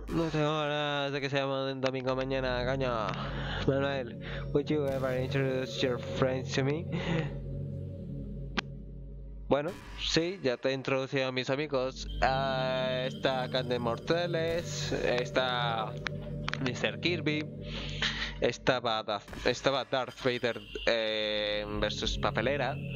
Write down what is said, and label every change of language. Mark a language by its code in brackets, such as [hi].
[es] No tengo ganas de que se llame domingo mañana, coño. [en] Manuel, would you ever introduce your friends to me? [es] Bueno, sí, ya te he introducido a mis amigos. Está Candy Mortales, está Mr. Kirby, estaba Darth Vader versus Papelera.